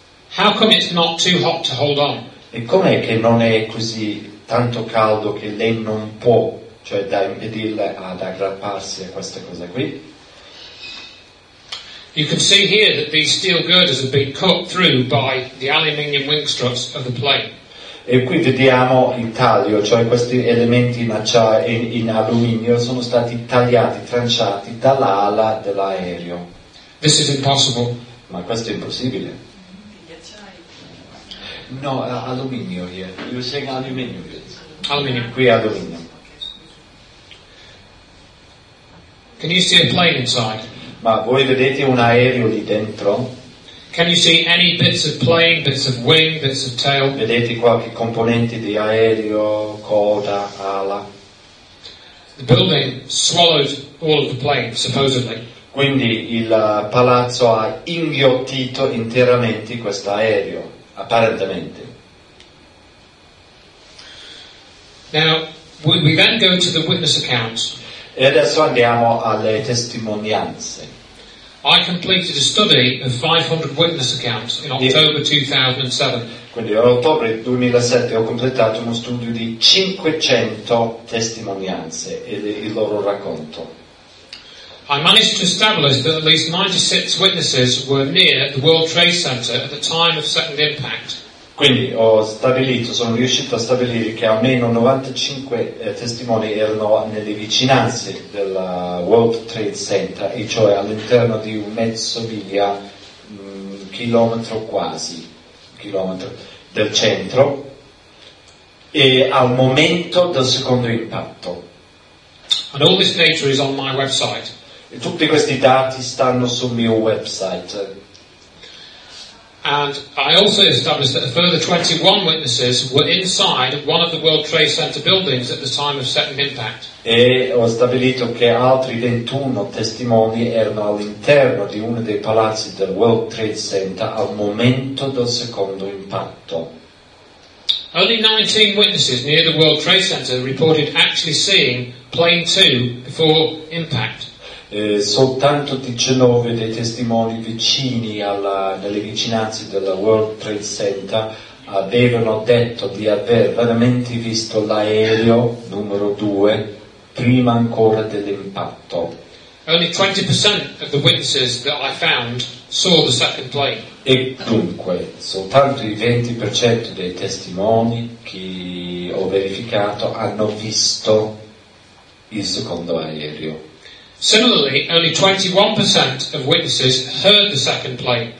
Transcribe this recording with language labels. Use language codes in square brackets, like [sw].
[en] How come it's not too hot to hold on? [it] E com'è che non è così tanto caldo che lei non può, cioè da impedirle ad aggrapparsi a questa cosa qui? [en] You can see here that these steel girders have been cut through by the aluminium wing struts of the plane. [it] E qui vediamo il taglio, cioè questi elementi in alluminio sono stati tagliati, tranciati dall'ala dell'aereo. [en] This is impossible. [it] Ma questo è impossibile. [en] No, alluminio here. You're saying aluminio. [it] Alluminio. Qui alluminio. [en] Can you see a plane inside? [it] Ma voi vedete un aereo lì dentro? [en] Can you see any bits of plane, bits of wing, bits of tail? [it] Vedete qualche componente di aereo, coda, ala? [en] The building swallowed all of the plane, supposedly. [it] Quindi il palazzo ha inghiottito interamente questo aereo, apparentemente. [en] Now, we then go to the witness accounts. [it] E adesso andiamo alle testimonianze. [en] I completed a study of 500 witness accounts in October 2007. [it] Quindi a ottobre 2007 ho completato uno studio di 500 testimonianze e il loro racconto. [en] I managed to establish that at least 96 witnesses were near the World Trade Center at the time of second impact. [it] Quindi sono riuscito a stabilire che almeno 95 testimoni erano nelle vicinanze del World Trade Center, e cioè all'interno di un mezzo miglia, chilometro del centro, e al momento del secondo impatto. [en] And all this data is on my website. [it] E tutti questi dati stanno sul mio website. [en] And I also established that a further 21 witnesses were inside one of the World Trade Center buildings at the time of second impact. [it] E ho stabilito che altri 21 testimoni erano all'interno di uno dei palazzi del World Trade Center al momento del secondo impatto. [en] Only 19 witnesses near the World Trade Center reported actually seeing plane 2 before impact. [it] Soltanto 19 dei testimoni vicini nelle vicinanze della World Trade Center avevano detto di aver veramente visto l'aereo numero 2 prima ancora dell'impatto. [en] Only 20% of the witnesses that I found saw the second plane. [it] E dunque, soltanto il 20% dei testimoni che ho verificato hanno visto il secondo aereo. [en] Similarly, only 21% of witnesses heard the second plane.